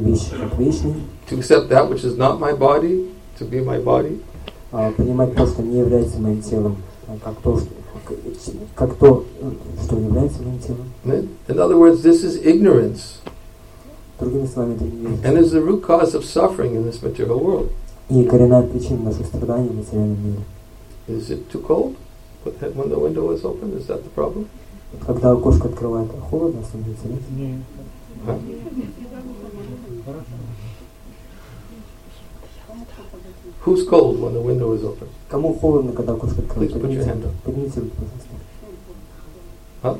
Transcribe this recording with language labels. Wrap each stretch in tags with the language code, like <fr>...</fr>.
<en>To accept that which is not my body to be my body.</en> <ru>Принимать то, что не является моим телом, как то, что является моим телом.</ru> <en>In other words, this is ignorance.</en> <ru>Другими словами, это невежество.</ru> <en>And is the root cause of suffering in this material world.</en> <ru>И коренная причина наших страданий в материальном мире.</ru> <en>Is it too cold? When the window is open, is that the problem?</en> <ru>Когда окошко открывает, холодно, на самом деле, нет? Нет.</ru> <en>Who's cold when the window is open?</en> <ru>Кому холодно, когда окошко открывает?</ru> <en>Please put your hand up.</en> <ru>Поднимите руку, пожалуйста.</ru>